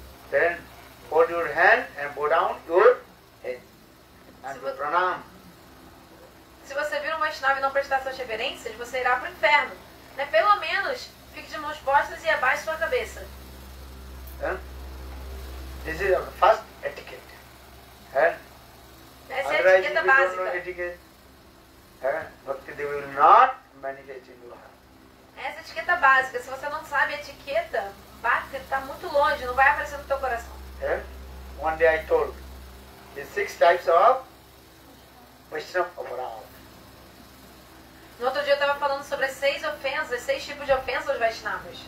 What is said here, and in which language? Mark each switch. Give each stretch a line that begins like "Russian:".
English: Then hold your hand and bow down your head. And do pranam.
Portuguese: Se você vir um Vaishnava e não prestar suas reverências, você irá para o inferno. né? Pelo menos fique de mãos postas e abaixe sua cabeça.
English: This is the first etiquette.
Portuguese: Essa é a etiqueta básica.
English: Bhakti Devi will not manifest in your heart.
Portuguese: Essa é a etiqueta básica. Se você não sabe a etiqueta, Bhakti está muito longe, não vai aparecer no teu coração.
English: One day I told, the six types of Vaishnava Aparadha.
Portuguese: No outro dia eu estava falando sobre as seis ofensas, seis tipos de ofensas aos Vaishnavas.